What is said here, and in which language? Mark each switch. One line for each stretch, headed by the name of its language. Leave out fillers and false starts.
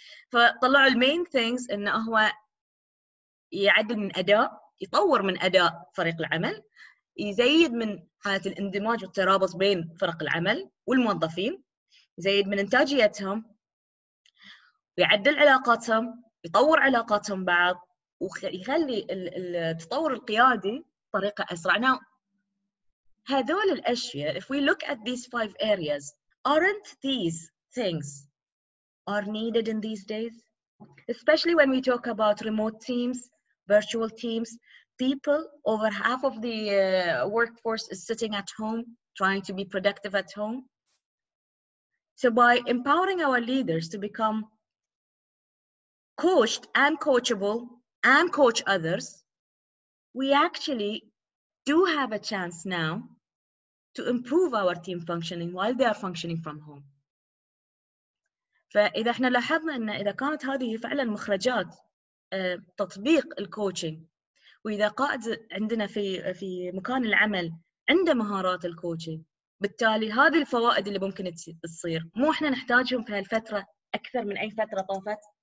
Arabic: فطلعوا المين things إنه هو يعدل من أداء, يطور من أداء فريق العمل, يزيد من حالة الاندماج والترابط بين فرق العمل والموظفين, يزيد من إنتاجيتهم, يعدل علاقاتهم, يطور علاقاتهم بعض, ويخلي التطور القيادي طريقة أسرع.
English: Now,
Arabic: هذول الأشياء,
English: if we look at these five areas, aren't these things are needed in these days? Especially when we talk about remote teams, virtual teams, people, over half of the workforce is sitting at home, trying to be productive at home. So by empowering our leaders to become coached and coachable, and coach others, we actually do have a chance now to improve our team functioning while they are functioning from home.
Arabic: فإذا احنا لاحظنا ان اذا كانت هذه فعلا مخرجات تطبيق الكوتشنج, واذا قائد عندنا في مكان العمل عنده مهارات الكوتشنج, بالتالي هذه الفوائد اللي ممكن تصير مو احنا نحتاجهم في هالفترة اكثر من اي فترة طافت.